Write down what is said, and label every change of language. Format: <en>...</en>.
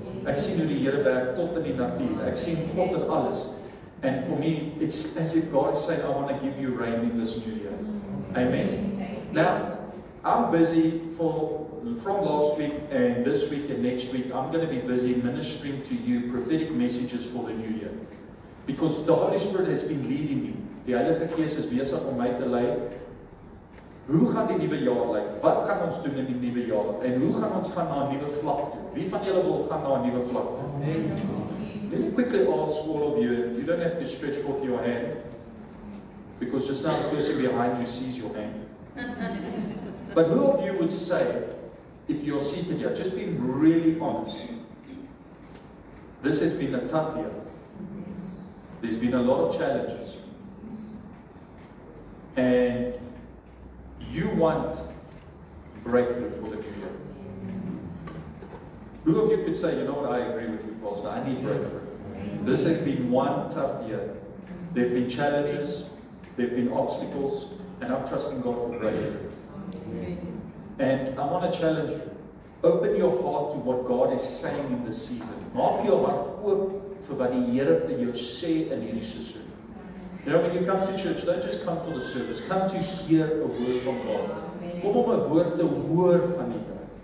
<af>Ek sien hoe die Here werk tot in die natuur. Ek sien God in alles.</af> <en>And for me, it's as if God is saying, I want to give you rain in this new year. Amen. Now, I'm busy from last week and this week and next week. I'm going to be busy ministering to you prophetic messages for the new year. Because the Holy Spirit has been leading me.</en> <af>Die Heilige Gees is besig om my te lei. Hoe gaan die nuwe jaar lyk? Wat gaan ons doen in die nuwe jaar? En hoe gaan ons gaan na 'n nuwe vlak toe? Wie van julle wil gaan na 'n nuwe vlak?</af> <en>Let me quickly ask all of you, you don't have to stretch forth your hand, because just now the person behind you sees your hand. But who of you would say, if you're seated here, just being really honest, this has been a tough year. There's been a lot of challenges. And you want breakthrough for the future. Who of you could say, you know what, I agree with you, Pastor, I need breakthrough. This has been one tough year. There have been challenges, there have been obstacles, and I'm trusting God for breakthrough. And I want to challenge you. Open your heart to what God is saying in this season.</en> <af>Maak jou hart oop vir wat die Here vir jou sê in hierdie seisoen.</af> <en>You know, when you come to church, don't just come for the service. Come to hear a word from God.</en> <af>Kom om 'n woord te hoor van die Here.</af>